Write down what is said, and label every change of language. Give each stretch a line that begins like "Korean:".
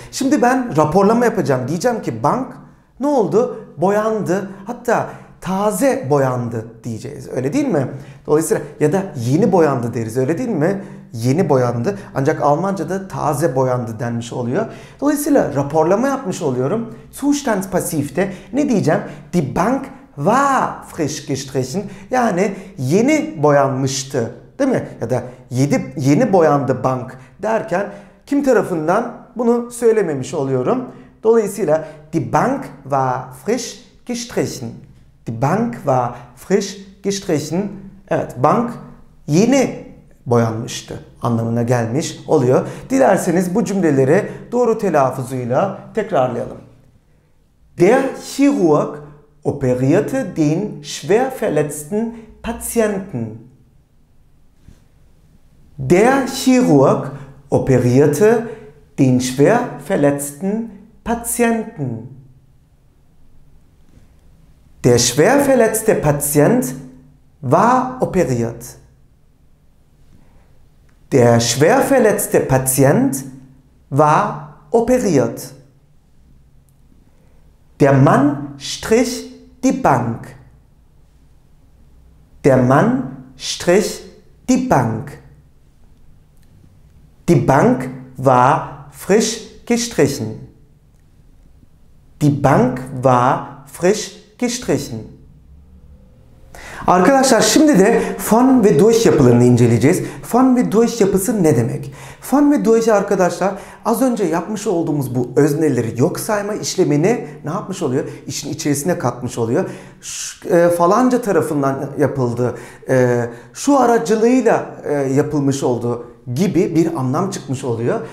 Turkish: Şimdi ben raporlama yapacağım. Diyeceğim ki bank ne oldu? Boyandı. Hatta taze boyandı diyeceğiz. Öyle değil mi? Dolayısıyla ya da yeni boyandı deriz. Öyle değil mi? Yeni boyandı. Ancak Almanca'da taze boyandı denmiş oluyor. Dolayısıyla raporlama yapmış oluyorum. Zustand passivte ne diyeceğim?
German: Die Bank war frisch gestrichen.
Turkish: Yani yeni boyanmıştı. Değil mi? Ya da yeni boyandı bank derken kim tarafından bunu söylememiş oluyorum. Dolayısıyla
German: die Bank war frisch gestrichen. Die Bank war frisch gestrichen.
Turkish: Evet, bank yeni boyanmıştı anlamına gelmiş oluyor. Dilerseniz bu cümleleri doğru telaffuzuyla tekrarlayalım.
German: Der Chirurg operierte den schwer verletzten Patienten. Der Chirurg operierte den schwer verletzten Patienten. Der schwer verletzte Patient war operiert. Der schwer verletzte Patient war operiert. Der Mann strich die Bank. Der Mann strich die Bank. Die Bank war frisch gestrichen. Die Bank war frisch gestrichen.
Turkish: Arkadaşlar şimdi de von ve durch yapılarını inceleyeceğiz. Von ve durch yapısı ne demek? Von ve durch arkadaşlar az önce yapmış olduğumuz bu özneleri yok sayma işlemini ne yapmış oluyor? İşin içerisine katmış oluyor. Falanca tarafından yapıldı, şu aracılığıyla yapılmış oldu gibi bir anlam çıkmış oluyor.